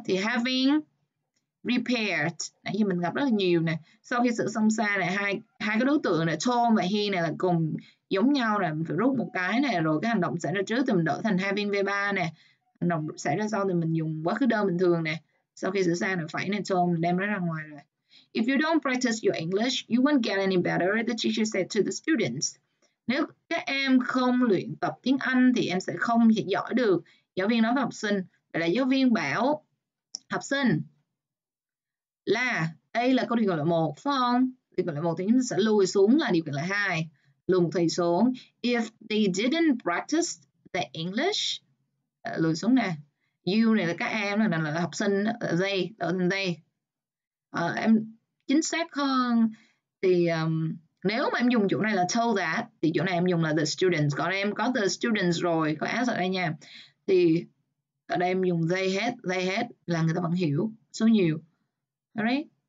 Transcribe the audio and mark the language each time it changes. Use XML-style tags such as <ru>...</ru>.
<vi>Thì having repaired, nãy giờ mình gặp rất là nhiều nè. Sau khi sửa xong xe này, hai cái đối tượng này, Tom và He này là cùng giống nhau nè, mình phải rút một cái này rồi cái hành động xảy ra trước thì mình đổi thành having verb nè, hành động xảy ra sau thì mình dùng quá khứ đơn bình thường nè, sau khi sửa sang là phải nè, cho mình đem nó ra ngoài rồi.</vi> <en>If you don't practice your English, you won't get any better, the teacher said to the students.</en> <vi>Nếu các em không luyện tập tiếng Anh thì em sẽ không thể giỏi được, giáo viên nói với học sinh. Vậy là giáo viên bảo học sinh là đây là câu điều khiển loại một phải không? Điều khiển loại một thì chúng ta sẽ lùi xuống là điều khiển loại hai, lùi thầy xuống.</vi> <en>If they didn't practice the English,</en> <vi>lùi xuống nè. You này là các em, là học sinh, they, ở đây. Em chính xác hơn thì nếu mà em dùng chỗ này là</vi> <en>told that</en> <vi>thì chỗ này em dùng là the students. Còn em có the students rồi, có s ở đây nha. Thì ở đây em dùng they hết là người ta vẫn hiểu số nhiều. Alright.</vi>